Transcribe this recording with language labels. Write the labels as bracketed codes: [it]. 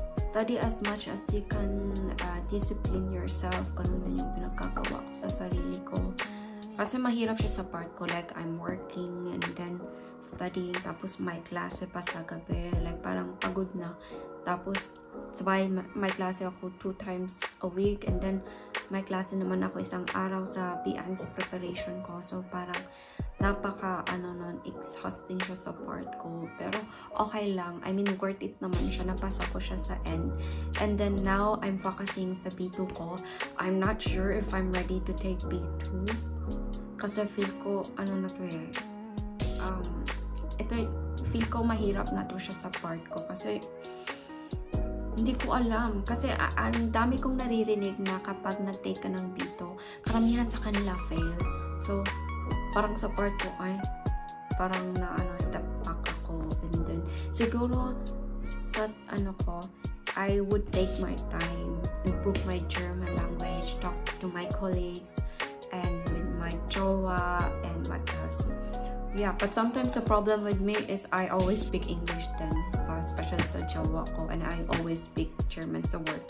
[en] Study as much as you can, discipline yourself. [tl] Ganun din yung pinagkagawa ko sa sarili ko. Kasi mahirap siya sa part ko. [en] Like, I'm working and then studying. [tl] Tapos may klase pa sa gabi. Like, parang pagod na. Tapos, sabay, may klase ako 2 times a week. And then, may klase naman ako isang araw sa BIANS preparation ko. So, parang napaka, ano nun, exhausting siya sa part ko. Pero, okay lang. [en] I mean, worth it naman siya. [tl] Napasa ko siya sa end. [en] And then, now, I'm focusing sa B2 ko. I'm not sure if I'm ready to take B2. [tl] Kasi feel ko, ano na to eh. Ito, feel ko mahirap na to siya sa part ko. Kasi, hindi ko alam. Kasi, ang dami kong naririnig na kapag nag-take ka ng B2, karamihan sa kanila fail. So, parang sa part ko ay parang na ano, step back ako. [en] And then siguro [tl] sa ano ko, [en] I would take my time, improve my German language, talk to my colleagues and with my jowa and my class. Yeah, but sometimes the problem with me is I always speak English then, so especially [tl] sa jowa ko, [en] and I always speak German sa work.